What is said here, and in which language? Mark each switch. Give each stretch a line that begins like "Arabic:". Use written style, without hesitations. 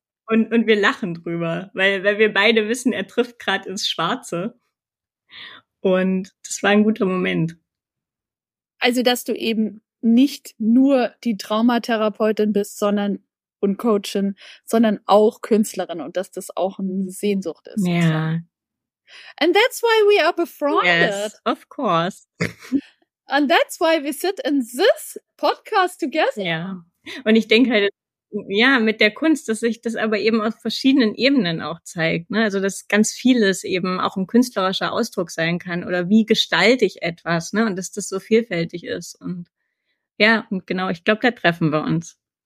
German: Und wir lachen drüber, weil wir beide wissen, er trifft gerade ins Schwarze. Und das war ein guter Moment. Also, dass du eben nicht nur die Traumatherapeutin bist, sondern und Coachin, sondern auch Künstlerin, und dass das auch eine Sehnsucht ist. Ja.
English: And that's why we are befriended. Yes, of course. And that's why we sit in this podcast together.
German: Ja. Und ich denke halt, ja, mit der Kunst, dass sich das aber eben auf verschiedenen Ebenen auch zeigt, ne? Also, dass ganz vieles eben auch ein künstlerischer Ausdruck sein kann, oder wie gestalte ich etwas, ne? Und dass das so vielfältig ist. Und ja, und genau, ich glaube, da treffen wir uns.